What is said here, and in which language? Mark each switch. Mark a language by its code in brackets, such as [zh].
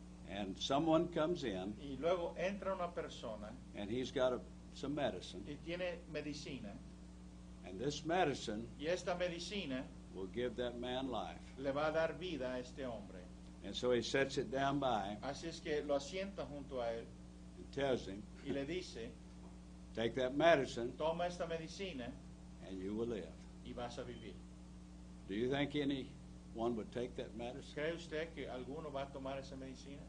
[en] And someone comes in. [es] Y luego entra una persona. [en] And he's got some medicine. [es] Y tiene medicina. [en] And this medicine. [es] Y esta medicina. [en] Will give that man life. [es] Le va a dar vida a este hombre. [en] And so he sets it down by him. [es] Así es que lo asienta junto a él. [en] And tells him. [es] Y le dice. [en] Take that medicine. [es] Toma esta medicina. [en] And you will live. [es] Y vas a vivir. [en] Do you think anyone would take that medicine? [es] ¿Cree usted que alguno va a tomar esa medicina?